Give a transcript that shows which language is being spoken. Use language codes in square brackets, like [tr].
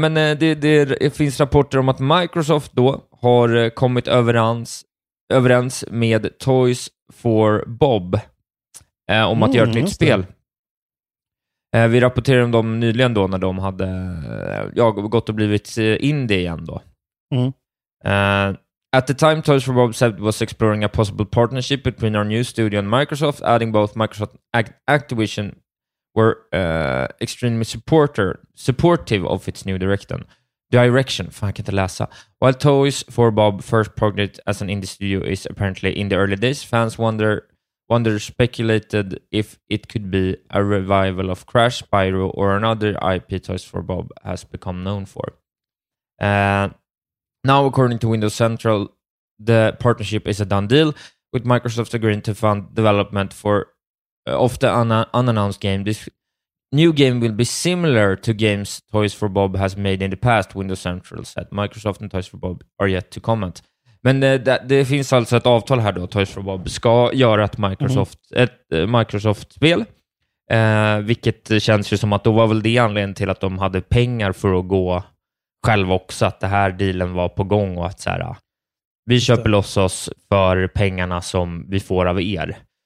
[sv] Nej, men det finns rapporter om att Microsoft då har kommit överens med Toys for Bob om att göra ett nytt spel. Vi rapporterade om dem nyligen då när de hade gått och blivit indie igen då. Mm. [en] At the time, Toys for Bob said it was exploring a possible partnership between our new studio and Microsoft, adding both Microsoft and Activision were extremely supportive of its new direction. [sv] Fan, jag kan inte läsa. [en] While Toys for Bob first project as an indie studio is apparently in the early days, fans wonder speculated if it could be a revival of Crash, Spyro or another IP Toys for Bob has become known for. Now, according to Windows Central, the partnership is a done deal, with Microsoft agreeing to fund development for of the unannounced game. This new game will be similar to games Toys for Bob has made in the past, Windows Central said. Microsoft and Toys for Bob are yet to comment. [sv] Men det finns alltså ett avtal här då, Toys for Bob ska göra ett Microsoft-spel. Vilket känns ju som att då var väl det anledningen till att de hade pengar för att gå själv också. Att det här dealen var på gång och att så här, vi köper loss oss för pengarna som vi får av er.